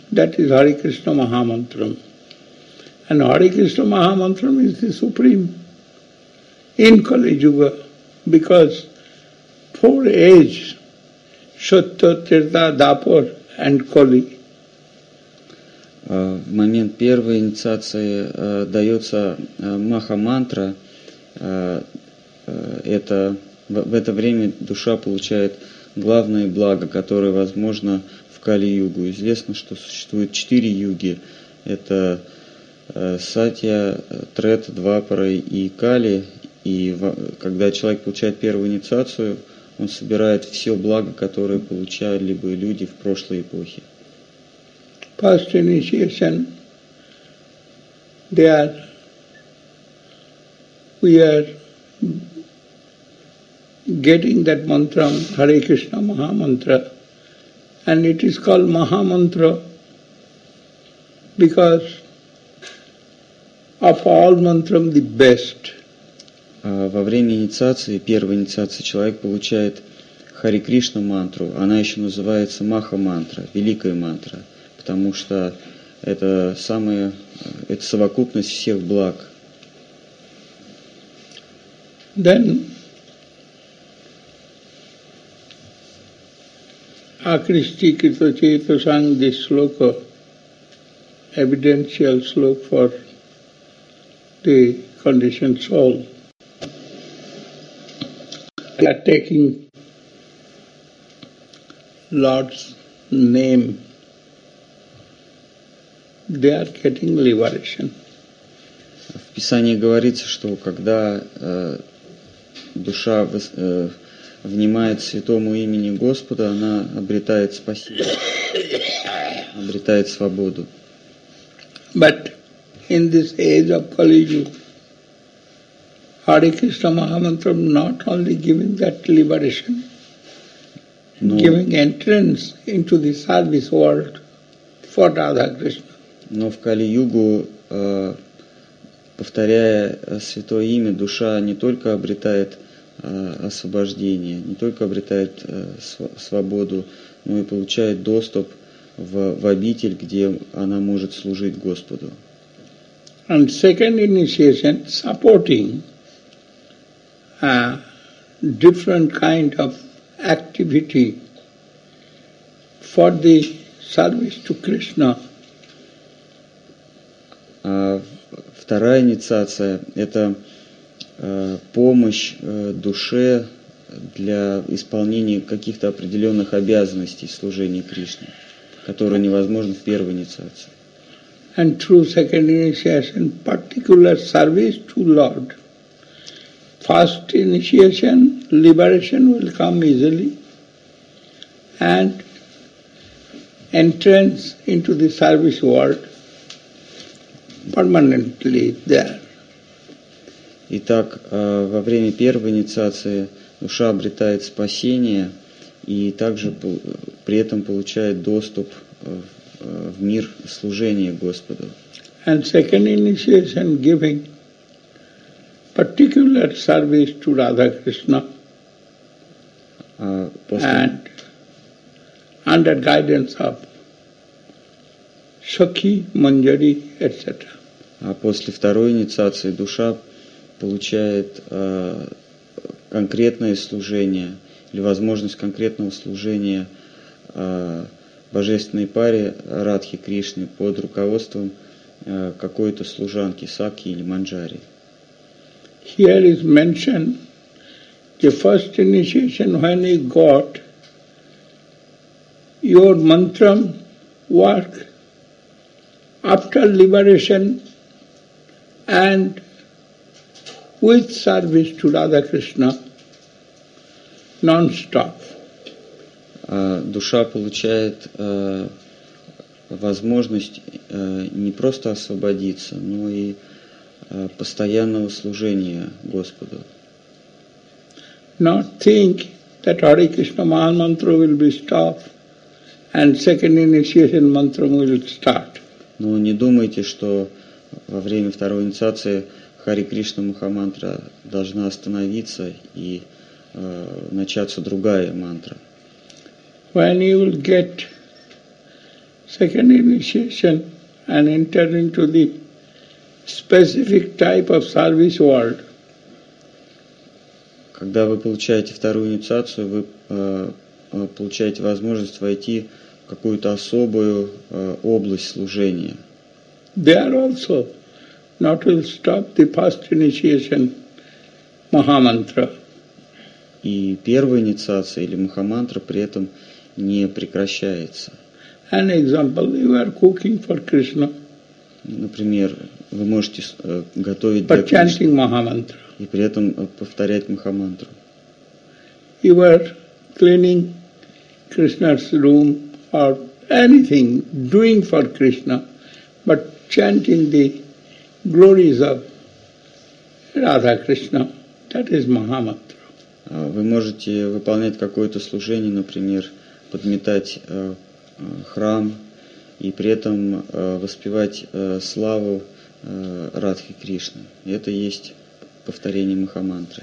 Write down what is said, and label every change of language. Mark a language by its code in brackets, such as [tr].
[en] That is Hare Krishna Mahamantram. And Hare Krishna Mahamantram is the supreme in Kali Yuga, because four ages, Shatya, Tirtha, Dapar and Kali. [ru] В момент первой инициации дается маха-мантра. В это время душа получает главное благо, которое возможно в Кали-югу. Известно, что существует четыре юги. Это Сатья, Трета, Двапара и Кали. И когда человек получает первую инициацию, он собирает все благо, которое получали бы люди в прошлой эпохе. [en] First initiation, we are getting that mantra, Hare Krishna Mahamantra, and it is called Mahamantra because of all mantram the best. [ru] Во время инициации, первой инициации, человек получает Хари Кришна мантру, она еще называется Маха мантра, великая мантра. Потому что это самое, это совокупность всех благ. [en] Then Akrishti Krito Cheto sang this sloka, evidential sloka for the conditioned soul. They are taking Lord's name, they are getting liberation. [ru] В Писании говорится, что когда душа внимает святому имени Господа, она обретает спасение, обретает свободу. [en] But in this age of Kali Yuga, Hare Krishna Mahamantra not only giving that liberation, no, giving entrance into the service world for Radha Krishna. [ru] Но в Кали-Югу, повторяя святое имя, душа не только обретает освобождение, не только обретает свободу, но и получает доступ в обитель, где она может служить Господу. [en] And second initiation supporting a different kind of activity for the service to Krishna. [ru] Вторая инициация – это помощь душе для исполнения каких-то определенных обязанностей служения Кришне, которые невозможны в первой инициации. [en] And through second initiation, particular service to Lord. First initiation, liberation will come easily, and entrance into the service world permanently there. [ru] Итак, во время первой инициации душа обретает спасение и также при этом получает доступ в мир служения Господу. [en] And second initiation giving particular service to Radha Krishna and under guidance of Shakhi, Manjari, etc. [ru] А после второй инициации душа получает конкретное служение или возможность конкретного служения божественной паре Радхи Кришны под руководством какой-то служанки Сакхи или Манджари. [en] Here is mentioned the first initiation when you got your mantra work after liberation and with service to Radha Krishna, non-stop. [ru] Душа получает возможность не просто освободиться, но и постоянного служения Господу. [en] Not think that Hare Krishna Mahamantra will be stopped and second initiation mantra will start. [ru] Но не думайте, что во время второй инициации Хари Кришна Махамантра должна остановиться и начаться другая мантра. [en] When you will get second initiation and enter into the specific type of service world. [ru] Когда вы получаете вторую инициацию, вы получаете возможность войти в какую-то особую область служения. [en] There also not will stop the first initiation Mahamantra. [ru] И первая инициация или Махамантра при этом не прекращается. [en] An example, you are cooking for Krishna. [ru] Например, вы можете готовить для Кришны. [en] But chanting Mahamantra. [ru] И при этом повторять Махамантру. [en] You are cleaning Krishna's room or anything doing for Krishna, but chanting the glories of Radha Krishna, that is Mahamantra. [ru] Вы можете выполнять какое-то служение, например, подметать храм и при этом воспевать славу Радхи Кришны. Это есть повторение Махамантры.